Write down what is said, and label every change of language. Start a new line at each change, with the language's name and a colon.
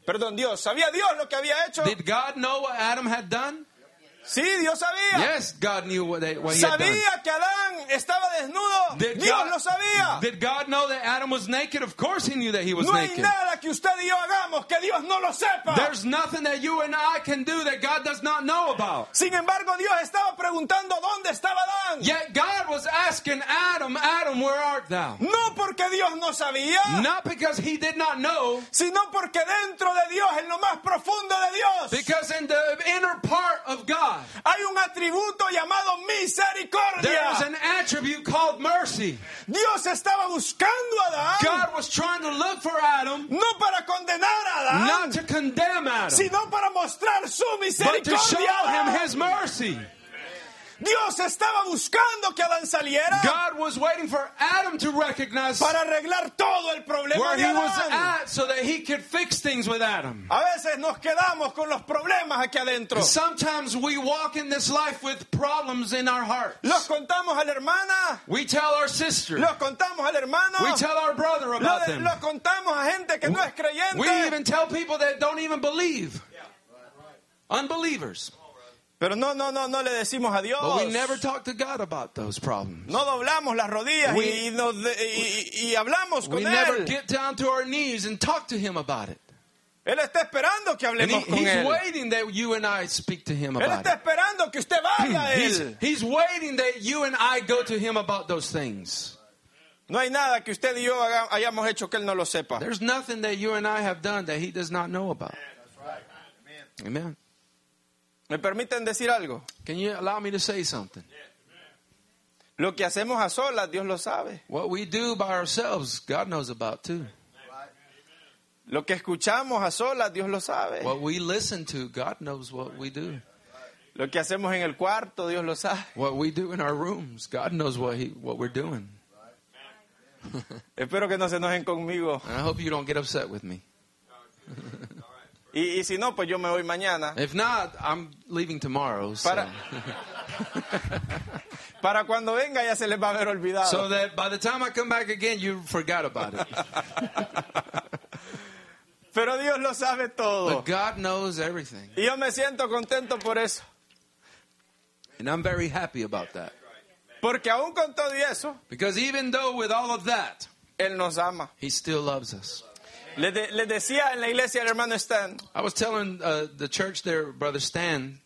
Spanish: Perdón, Dios. ¿Sabía Dios lo que había hecho?
English: Did God know what Adam had done?
Spanish: Sí, Dios sabía.
English: Yes, God knew what he
Spanish: sabía
English: had done.
Spanish: Que Adán estaba desnudo. Dios lo sabía.
English: Did God know that Adam was naked? Of course he knew that he was
Spanish: no
English: naked.
Spanish: No hay nada que usted y yo hagamos que Dios no lo sepa.
English: There's nothing that you and I can do that God does not know about.
Spanish: Sin embargo, Dios estaba preguntando dónde estaba Adán.
English: Yet God was asking Adam, Adam, where art thou?
Spanish: No porque Dios no sabía.
English: Not because he did not know.
Spanish: Sino porque dentro de Dios, en lo más profundo de Dios.
English: Because in the inner part of God.
Spanish: Hay un atributo llamado misericordia.
English: There was an attribute called mercy.
Spanish: Dios estaba buscando a Adán.
English: God was trying to look for Adam.
Spanish: No para condenar a Adán.
English: Not to condemn Adam.
Spanish: Sino para mostrar su misericordia.
English: But to show him his mercy.
Spanish: Dios estaba buscando que Adán saliera.
English: God was waiting for Adam to recognize
Spanish: para arreglar todo el problema
English: where
Spanish: de Adán.
English: He was at so that he could fix things with Adam.
Spanish: A veces nos quedamos con los problemas aquí adentro.
English: Sometimes we walk in this life with problems in our hearts.
Spanish: Los contamos a la hermana.
English: We tell our sister.
Spanish: Los contamos al hermano.
English: We tell our brother about them.
Spanish: Los contamos a gente que no es creyente.
English: We even tell people that don't even believe. Unbelievers.
Spanish: Pero no, no, no, no le decimos a Dios.
English: But we never talk to God about those problems.
Spanish: No doblamos las rodillas y hablamos con él.
English: We never get down to our knees and talk to him about it.
Spanish: Él está esperando que hablemos con él.
English: He's waiting that you and I speak to him about it.
Spanish: Él está esperando que usted vaya a él.
English: He's waiting that you and I go to him about those things.
Spanish: No hay nada que usted y yo hayamos hecho que él no lo sepa.
English: There's nothing that you and I have done that he does not know about.
Spanish: Amen.
English: Amen.
Spanish: ¿Me permiten decir algo?
English: Can you allow me to say something?
Spanish: Lo que hacemos a solas, Dios lo sabe.
English: What we do by ourselves, God knows about too.
Spanish: Lo que escuchamos a solas, Dios lo sabe.
English: What we listen to, God knows what we do.
Spanish: Lo que hacemos en el cuarto, Dios lo sabe.
English: What we do in our rooms, God knows what we're doing.
Spanish: Espero que no se enojen conmigo.
English: And I hope you don't get upset with me.
Spanish: Y si no, pues yo me voy mañana.
English: If not, I'm leaving tomorrow.
Spanish: Para cuando venga ya se les va a haber olvidado.
English: So that by the time I come back again, you forgot about it.
Spanish: Pero Dios lo sabe todo.
English: But God knows everything.
Spanish: Y yo me siento contento por eso.
English: And I'm very happy about that.
Spanish: Porque aún con todo y eso,
English: because even though with all of that,
Spanish: él nos ama.
English: He still loves us.
Spanish: Le decía en la iglesia al hermano Stan.
English: I was telling the church there, brother Stan.